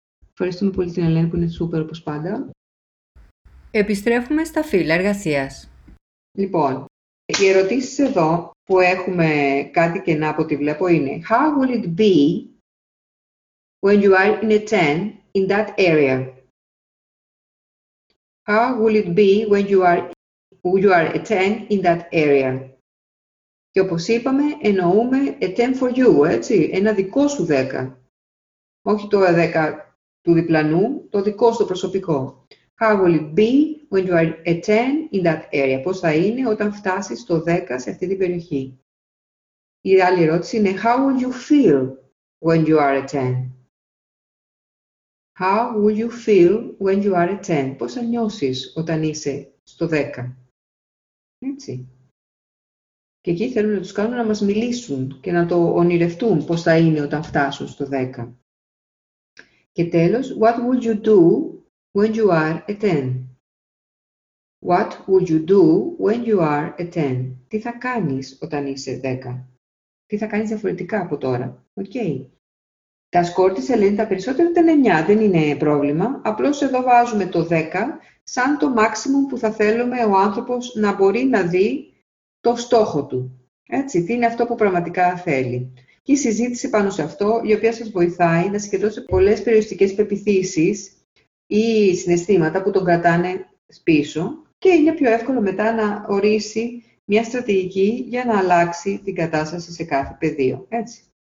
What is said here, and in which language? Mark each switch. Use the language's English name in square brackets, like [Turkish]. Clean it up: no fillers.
[Greek] Ευχαριστούμε πολύ την Ελένη που είναι σούπερ όπως πάντα. Επιστρέφουμε στα φύλλα εργασίας. Λοιπόν, οι ερωτήσεις εδώ που έχουμε κάτι κενά από ό,τι βλέπω είναι [English] How will it be when you are in a 10 in that area? How will it be when you are a 10 in that area? [Greek] Και όπως είπαμε, εννοούμε [English] a 10 for you, [Greek] έτσι, ένα δικό σου 10. Όχι το 10 του διπλανού, το δικό σου προσωπικό. [English] How will it be when you are a 10 in that area? [Greek] Πώς θα είναι όταν φτάσεις στο 10 σε αυτή την περιοχή? Η άλλη ερώτηση είναι [English] How will you feel when you are a 10? How will you feel when you are a 10? Πώς θα νιώσεις όταν είσαι στο 10? Έτσι. [Greek] Και εκεί θέλουμε να τους κάνουμε να μας μιλήσουν και να το ονειρευτούν πώς θα είναι όταν φτάσουν στο 10. Και τέλος, [English] what would you do when you are a 10? What would you do when you are a 10? [Greek] Τι θα κάνεις όταν είσαι 10? Τι θα κάνεις διαφορετικά από τώρα? Okay. Τα σκορ της Ελένη τα περισσότερα ήταν 9, δεν είναι πρόβλημα. Απλώς εδώ βάζουμε το 10 σαν το maximum που θα θέλουμε ο άνθρωπος να μπορεί να δει το στόχο του. Έτσι, τι είναι αυτό που πραγματικά θέλει. Και η συζήτηση πάνω σε αυτό, η οποία σας βοηθάει να συγκεντρώσετε πολλές περιοριστικές πεπιθήσεις ή συναισθήματα που τον κρατάνε πίσω και είναι πιο εύκολο μετά να ορίσει μια στρατηγική για να αλλάξει την κατάσταση σε κάθε πεδίο. Έτσι.